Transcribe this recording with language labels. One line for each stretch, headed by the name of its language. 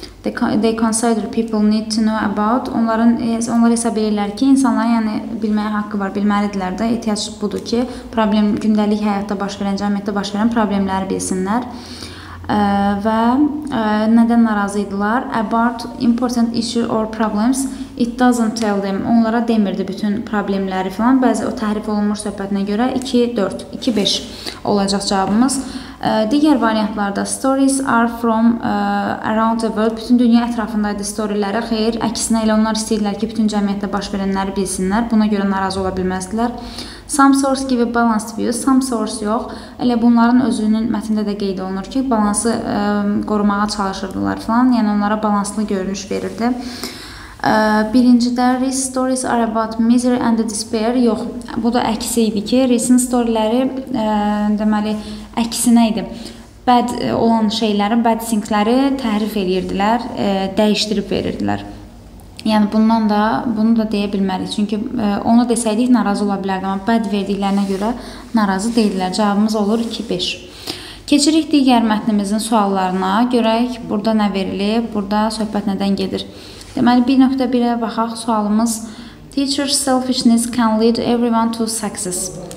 English: they consider people need to know about.
Azerbaijani: Onlar isə bilirlər ki, insanlar yəni bilməyə haqqı var, bilməlidirlər də. Ehtiyac budur ki, problem gündəlik həyatda baş verən, cəmiyyətdə baş verən problemləri bilsinlər. Nədən narazı idilər?
English: About important issue or problems, it doesn't tell them.
Azerbaijani: Onlara demirdi bütün problemləri falan. Bəzi o təhrif olunmuş söhbətinə görə 2-4, 2-5 olacaq cavabımız. Digər variantlarda
English: stories are from around the world.
Azerbaijani: Bütün dünya ətrafındaydı storyləri. Xeyr, əksinə elə onlar istəyirlər ki, bütün cəmiyyətdə baş verənləri bilsinlər. Buna görə narazı ola bilməzdilər.
English: Some source give a balanced view, some source yox.
Azerbaijani: Elə bunların özünün mətnində də qeyd olunur ki, balansı qorumağa çalışırdılar falan. Yəni onlara balanslı görünüş verirdi. Birincidə,
English: Reese's stories are about misery and despair.
Azerbaijani: Yox, bu da əksi idi ki, Reese's storyləri deməli əksinə idi. Bad olan şeylərin,
English: bad things-
Azerbaijani: ləri təhrif edirdilər, dəyişdirib verirdilər. Yəni bundan da bunu da deyə bilmərik. Çünki onu desəydik narazı ola bilərdi, amma bad verdiklərinə görə narazı deyildilər. Cavabımız olur 2-5. Keçirik digər mətnimizin suallarına. Görək burada nə verilib, burada söhbət nədən gedir. Deməli 1.1-ə baxaq. Sualımız:
English: Teacher selfishness can lead everyone to success.